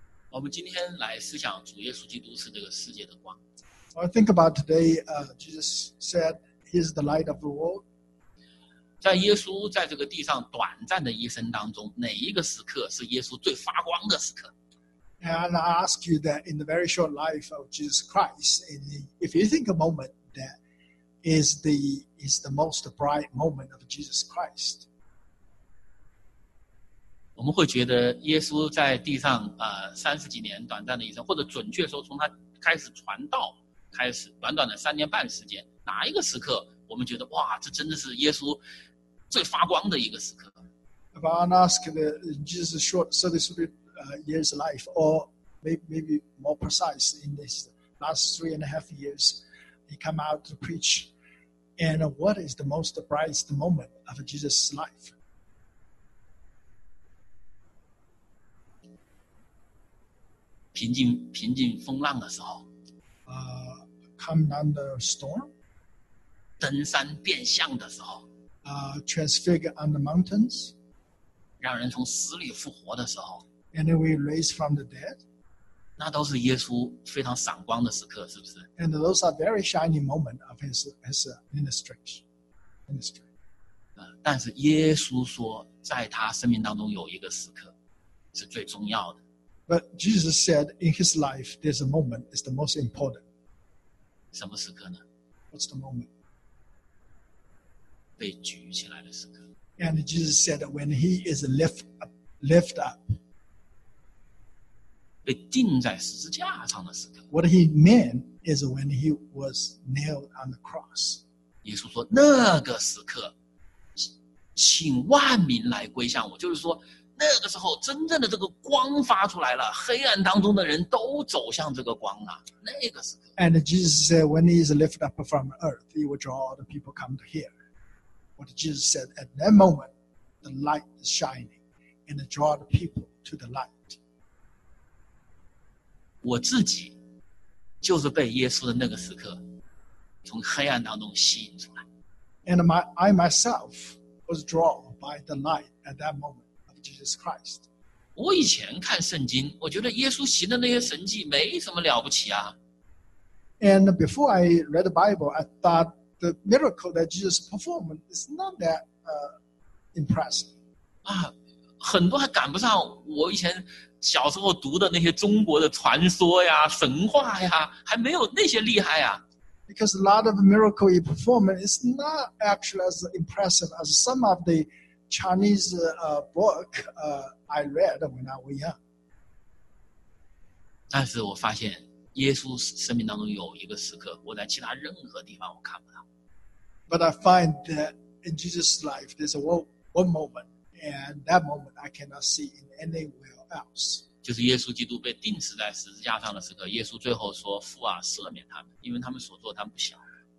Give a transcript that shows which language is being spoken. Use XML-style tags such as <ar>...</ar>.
<zh>我们今天来思想主耶稣基督是这个世界的光。</zh> <en>I think about today, Jesus said he is the light of the world.</en> <zh>在耶稣在这个地上短暂的一生当中，哪一个时刻是耶稣最发光的时刻？</zh> <en>And I ask you that in the very short life of Jesus Christ, if you think a moment that is the most bright moment of Jesus Christ.</en> <zh>我们会觉得耶稣在地上三十几年短暂的一生，或者准确说从他开始传道开始短短的三年半时间，哪一个时刻我们觉得哇，这真的是耶稣最发光的一个时刻。</zh> <en>If I ask Jesus short 33 years life, or maybe more precise in this last 3.5 years he come out to preach, and what is the most brightest moment of Jesus' life</en> <zh>平静风浪的时候</zh> <en>come down the storm,</en> <zh>登山变相的时候</zh> <en>transfigure on the mountains,</en> <zh>让人从死里复活的时候</zh> <en>and we raise from the dead,</en> <zh>那都是耶稣非常闪光的时刻，是不是？</zh> <en>And those are very shining moments of his ministry.</en> <zh>但是耶稣说在他生命当中有一个时刻是最重要的。</zh> <en>But Jesus said in his life, there's a moment is the most important.</en> <zh>什么时刻呢？</zh> <en>What's the moment?</en> <zh>被举起来的时刻。</zh> <en>And Jesus said when he is lift up.</en> <zh>被钉在十字架上的时刻。</zh> <en>What he meant is when he was nailed on the cross.</en> <zh>耶稣说那个时刻请万民来归向我，就是说那个时候真正的这个光发出来了，黑暗当中的人都走向这个光了，那个时刻。</zh> <en>And Jesus said, when he is lifted up from earth, he will draw all the people come to here. what Jesus said at that moment, the light is shining and it draws the people to the light.</en> <zh>我自己就是被耶稣的那个时刻从黑暗当中吸引出来。</zh> <en>And I myself was drawn by the light at that moment of Jesus Christ.</en> <zh>我以前看圣经，我觉得耶稣行的那些神迹没什么了不起啊。</zh> <en>And before I read the Bible, I thought the miracle that Jesus performed is not that impressive.</en> <zh>啊，很多还赶不上我以前小时候读的那些中国的传说呀、神话呀，还没有那些厉害呀。</zh> <en>Because a lot of miracle he performed is not actually as impressive as some of the Chinese book I read when I was young.</en> <zh>但是我发现耶稣生命当中有一个时刻，我在其他任何地方我看不到。</zh> <en>But I find that in Jesus' life there's one moment, and that moment I cannot see in anywhere else.</en> <zh>就是耶稣基督被钉死在十字架上的时刻，耶稣最后说：“父啊，赦免他们，因为他们所做，他们不晓。”</zh>